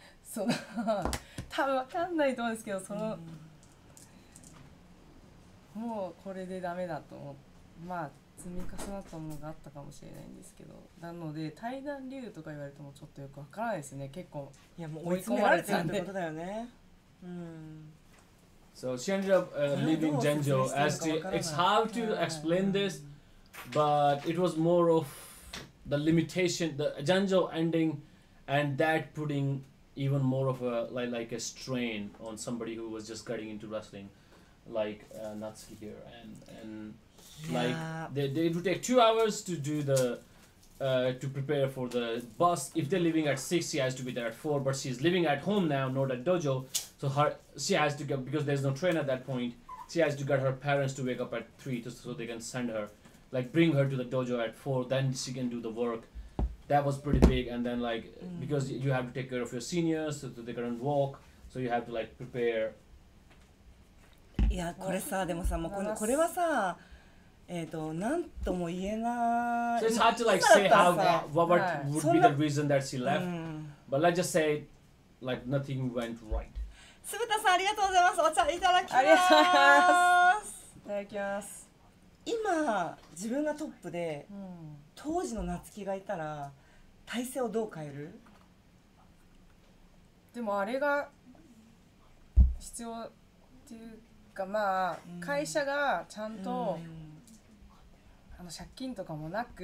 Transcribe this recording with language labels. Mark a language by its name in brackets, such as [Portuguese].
[Japanese] その多分わかんないと思うんですけど、その、うん、もうこれでダメだと思って、まあ積み重なったものがあったかもしれないんですけど、なので対談理由とか言われてもちょっとよくわからないですね。結構いやもう追い詰められてるってことだよね。うん。 [English] So she ended up leaving Genjo. As to it's hard to explain this, but it was more of the limitation, the Genjo ending, and that putting even more of a like a strain on somebody who was just getting into wrestling, like Natsuki here, and like they it would take 2 hours to do the to prepare for the bus. If they're living at 6, she has to be there at 4, but she's living at home now, not at dojo, so her she has to get, because there's no train at that point, she has to get her parents to wake up at 3 so they can send her, like bring her to the dojo at 4, then she can do the work. That was pretty big. And then like, because you have to take care of your seniors, so they couldn't walk, so you have to like prepare. [Japanese] いや、これさ、でもさ、もうこれはさ、なんとも言えない [English] 。So it's hard to like say how, what would be the reason that she left. But let's just say, like nothing went right. [Japanese] すぶたさん、ありがとうございます。お茶いただきます。ありがとうございます。いただきます。今自分がトップで、うん、当時の夏希がいたら体勢をどう変える？でもあれが必要っていうか、まあ、うん、会社がちゃんと、うん、あの借金とかもなく、